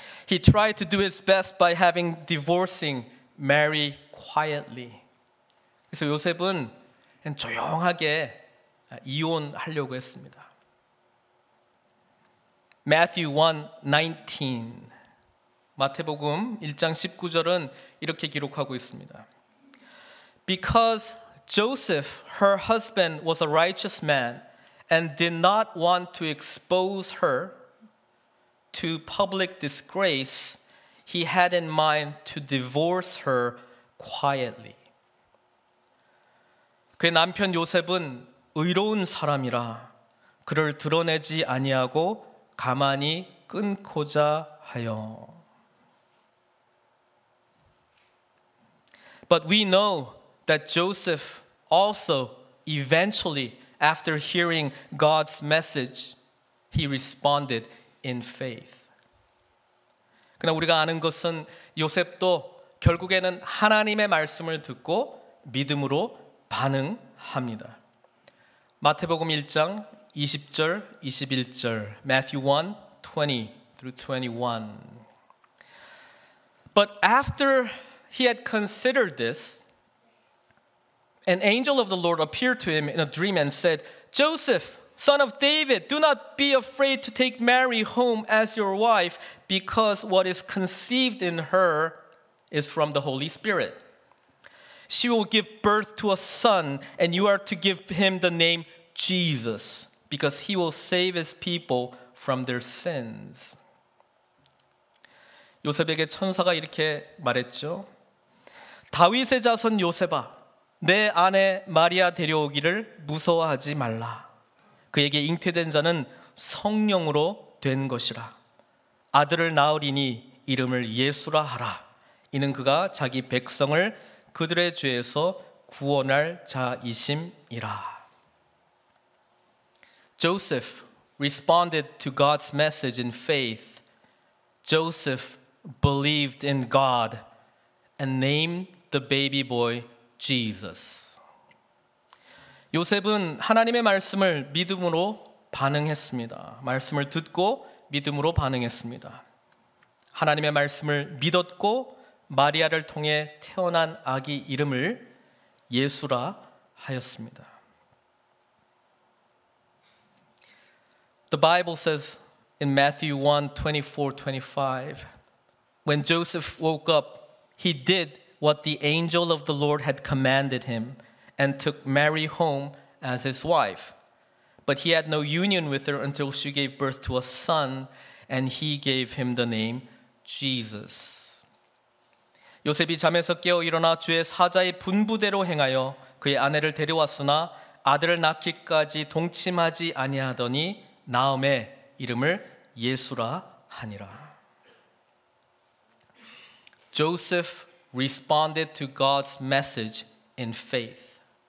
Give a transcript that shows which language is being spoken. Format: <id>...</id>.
<en>He tried to do his best by having divorcing Mary quietly.</en> <ko>그래서 요셉은 조용하게 이혼하려고 했습니다.</ko> <en>Matthew 1:19.</en> <ko>마태복음 1장 19절은 이렇게 기록하고 있습니다.</ko> <en>Because Joseph, her husband, was a righteous man and did not want to expose her to public disgrace, he had in mind to divorce her quietly.</en> <ko>그의 남편 요셉은 의로운 사람이라 그를 드러내지 아니하고 가만히 끊고자 하여.</ko> <en>But we know that Joseph also eventually, after hearing God's message, he responded in faith.</en> <ko>그러나 우리가 아는 것은 요셉도 결국에는 하나님의 말씀을 듣고 믿음으로 반응합니다. 마태복음 1장 20절, 21절,</ko> <en>Matthew 1:20-21. But after he had considered this, an angel of the Lord appeared to him in a dream and said, Joseph, son of David, do not be afraid to take Mary home as your wife, because what is conceived in her is from the Holy Spirit. She will give birth to a son, and you are to give him the name Jesus, because he will save his people from their sins.</en> <ko>요셉에게 천사가 이렇게 말했죠. 다윗의 자손 요셉아, 내 아내 마리아 데려오기를 무서워하지 말라. 그에게 잉태된 자는 성령으로 된 것이라. 아들을 낳으리니 이름을 예수라 하라. 이는 그가 자기 백성을 그들의 죄에서 구원할 자이심이라.</ko> <en>Joseph responded to God's message in faith. Joseph believed in God and named the baby boy Jesus.</en> <ko>요셉은 하나님의 말씀을 믿음으로 반응했습니다. 말씀을 듣고 믿음으로 반응했습니다. 하나님의 말씀을 믿었고 마리아를 통해 태어난 아기 이름을 예수라 하였습니다.</ko> <en>The Bible says in Matthew 1:24-25, when Joseph woke up, he did what the angel of the Lord had commanded him and took Mary home as his wife. But he had no union with her until she gave birth to a son, and he gave him the name Jesus.</en> <ko>요셉이 잠에서 깨어 일어나 주의 사자의 분부대로 행하여 그의 아내를 데려왔으나 아들을 낳기까지 동침하지 아니하더니 나음에 이름을 예수라 하니라.</ko> <en>Joseph responded to God's message in faith.</en>